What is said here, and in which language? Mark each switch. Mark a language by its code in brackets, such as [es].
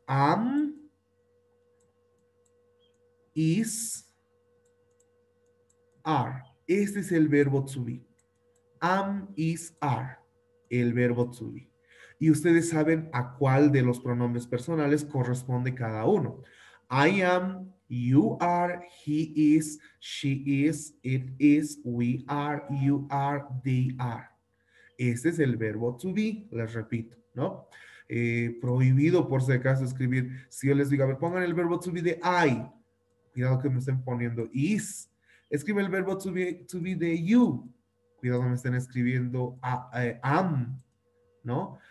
[en] Am, is, are. [es] Este es el verbo to be. [en] Am, is, are. [es] El verbo to be. y ustedes saben a cuál de los pronombres personales corresponde cada uno. [en] I am, you are, he is, she is, it is, we are, you are, they are. [es] Este es el verbo to be, les repito, ¿no? Prohibido por si acaso escribir. Si yo les digo, a ver, pongan el verbo to be de I. Cuidado que me estén poniendo is. Escribe el verbo to be de you. Cuidado que me estén escribiendo am, ¿no?